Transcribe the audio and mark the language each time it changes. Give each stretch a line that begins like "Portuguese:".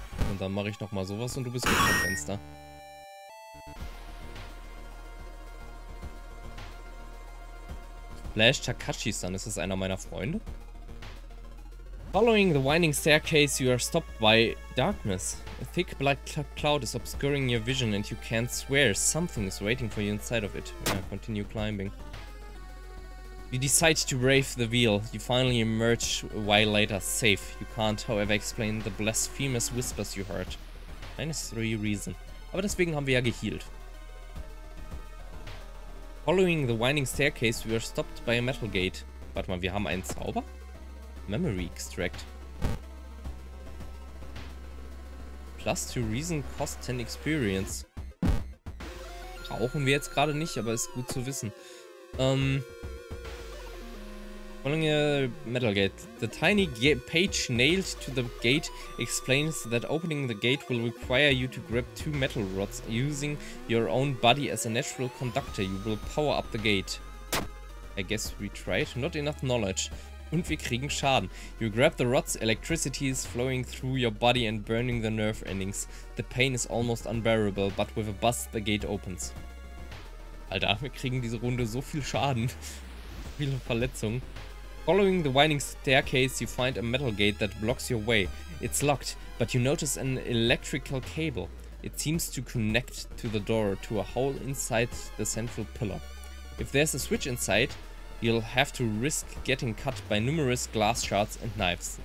German: Und dann mache ich noch mal sowas und du bist weg vom Fenster. Flash Takashi-san, ist das einer meiner Freunde?
English: Following the winding staircase, you are stopped by darkness. A thick black cloud is obscuring your vision and you can't swear. Something is waiting for you inside of it. Yeah, continue climbing. You decide to brave the veil. You finally emerge a while later, safe. You can't, however, explain the blasphemous whispers you heard. Minus three reason.
German: Aber deswegen haben wir ja geheilt.
English: Following the winding staircase, we are stopped by a metal gate.
German: Warte mal, wir haben einen Zauber?
English: Memory extract. Plus two reason cost 10 experience.
German: Brauchen wir jetzt gerade nicht, aber ist gut zu wissen.
English: Metal gate. The tiny page nailed to the gate explains that opening the gate will require you to grab two metal rods. Using your own body as a natural conductor, you will power up the gate. I guess we tried. Not enough knowledge.
German: Und wir kriegen Schaden.
English: You grab the rods, electricity is flowing through your body and burning the nerve endings. The pain is almost unbearable, but with a buzz the gate opens.
German: Alter, wir kriegen diese Runde so viel Schaden. Viele Verletzungen.
English: Following the winding staircase, you find a metal gate that blocks your way. It's locked, but you notice an electrical cable. It seems to connect to the door, to a hole inside the central pillar. If there's a switch inside, you'll have to risk getting cut by numerous glass shards and knives.